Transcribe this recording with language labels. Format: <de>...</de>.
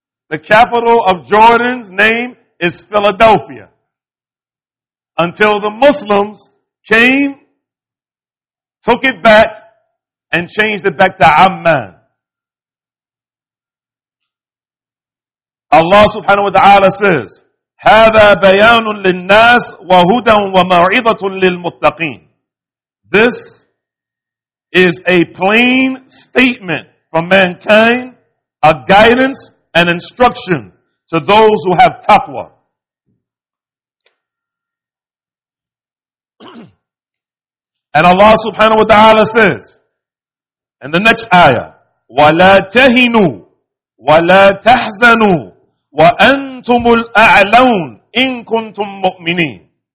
<en>The capital of Jordan's name is Philadelphia. Until the Muslims came, took it back, and changed it back to Amman. Allah subhanahu wa ta'ala says,</en> <ar>هَذَا بَيَانٌ لِلنَّاسِ وَهُدًى وَمَرْعِضَةٌ لِلْمُتَّقِينَ.</ar> <en>This is a plain statement for mankind, a guidance and instruction to those who have taqwa. And Allah subhanahu wa ta'ala says, in the next ayah,</en> <ar>وَلَا تَهِنُوا وَلَا تَحْزَنُوا وَأَنْتُمُ الْأَعْلَوْنَ إِن كُنْتُم مُؤْمِنِينَ.</ar>